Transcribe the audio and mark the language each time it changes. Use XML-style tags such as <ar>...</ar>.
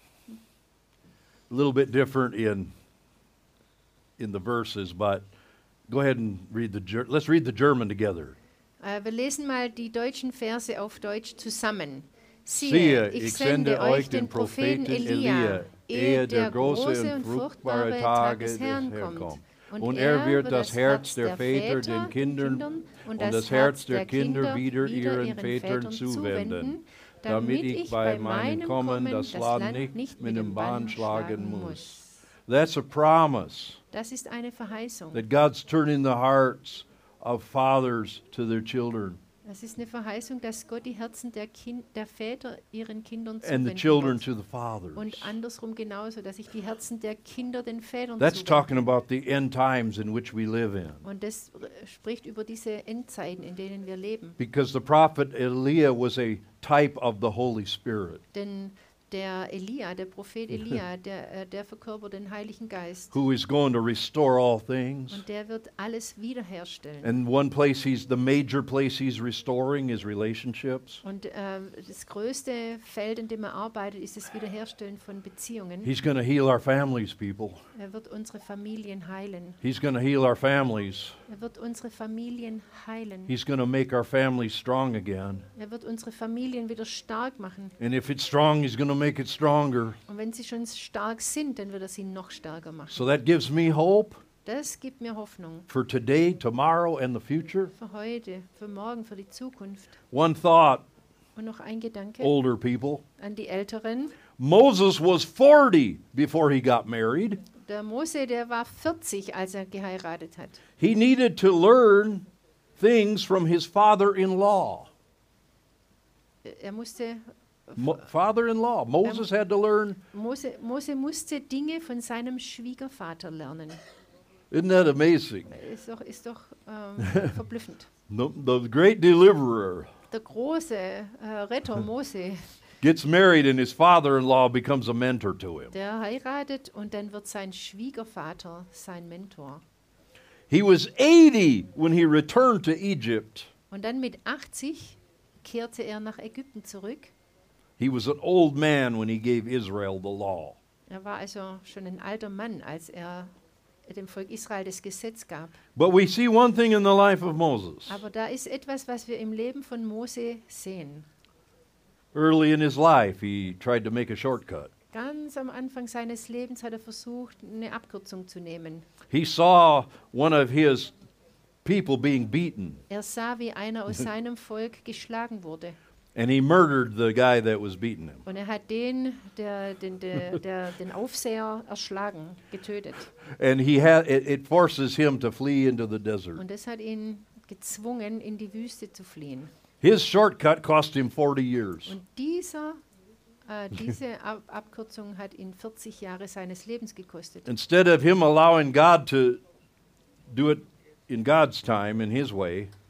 <en>A little bit different in the verses, but go ahead and read the let's read the German together.</en> <de>Wir lesen mal die deutschen Verse auf Deutsch zusammen. Siehe, ich sende euch den Propheten Elia. Ehe der große und fruchtbare Tag des Herrn kommt. Und er wird das Herz der Väter den Kindern und das Herz der Kinder wieder ihren Vätern zuwenden, damit ich bei meinem Kommen das Land nicht mit dem Bann schlagen muss.</de> <en>That's a promise.</en> <de>Das ist eine Verheißung.</de> <en>That God's turning the hearts of fathers to their children.</en> <de>Das ist eine Verheißung, dass Gott die Herzen der Väter ihren Kindern zuwendet.</de> <en>And the children to the fathers.</en> <de>Und andersrum genauso, dass sich die Herzen der Kinder den Vätern zuwenden.</de> <en>That's talking about the end times in which we live in.</en> <de>Und das spricht über diese Endzeiten, in denen wir leben.</de> <en>Because the prophet Elia was a type of the Holy Spirit.</en> <de>Denn der Elia, der Prophet Elia, der verkörpert den Heiligen Geist.</de> <en>Who is going to restore all things.</en> <de>Und der wird alles wiederherstellen.</de> <en>And one place the major place he's restoring is relationships.</en> <de>Und das größte Feld, in dem er arbeitet, ist das Wiederherstellen von Beziehungen.</de> <en>He's going to heal our families, people.</en> <de>Er wird unsere Familien heilen.</de> <en>He's going to heal our families.</en> <de>Er wird unsere Familien heilen.</de> <en>He's going to make our families strong again.</en> <de>Er wird unsere Familien wieder stark machen.</de> <en>And if it's strong, he's going to make it stronger.</en> <de>Und wenn sie schon stark sind, dann wird er sie noch stärker machen.</de> <en>So that gives me hope.</en> <de>Das gibt mir Hoffnung.</de> <en>For today, tomorrow and the future.</en> <de>Für heute, für morgen, für die Zukunft.</de> <en>One thought.</en> <de>Und noch ein Gedanke.</de> <en>Older people.</en> <de>An die Älteren.</de> <en>Moses was 40 before he got married.</en> <de>Der Mose, der war 40, als er geheiratet hat.</de> <en>He needed to learn things from his father-in-law.</en> <de>Er musste</de> <en>father-in-law. Moses had to learn.</en> <de>Mose musste Dinge von seinem Schwiegervater lernen.</de> <en>Isn't that amazing?</en> <de>Ist doch verblüffend.</de> <en>The great deliverer.</en> <de>Der große Retter Mose.</de> <en>Gets married and his father-in-law becomes a mentor to him.</en> <de>Der heiratet und dann wird sein Schwiegervater sein Mentor.</de> <en>He was 80 when he returned to Egypt.</en> <de>Und dann mit 80 kehrte er nach Ägypten zurück.</de> <en>He was an old man when he gave Israel the law.</en> <de>Er war also schon ein alter Mann, als er dem Volk Israel das Gesetz gab.</de> <en>But we see one thing in the life of Moses.</en> <de>Aber da ist etwas, was wir im Leben von Mose sehen.</de> <en>Early in his life, he tried to make a shortcut.</en> <de>Ganz am Anfang seines Lebens hat er versucht, eine Abkürzung zu nehmen.</de> <en>He saw one of his people being beaten.</en> <de>Er sah, wie einer aus seinem Volk geschlagen wurde.</de> <en>And he murdered the guy that was beating him.</en> <de>Und er hat den, den Aufseher erschlagen, getötet.</de> <en>And he had it forces him to flee into the desert.</en> <de>Und es hat ihn gezwungen, in die Wüste zu fliehen.</de> <en>His shortcut cost him 40 years.</en> <de>Und diese Abkürzung hat ihn 40 Jahre seines Lebens gekostet.</de> <en>Instead of him allowing God to do it in God's time, in his way,</en>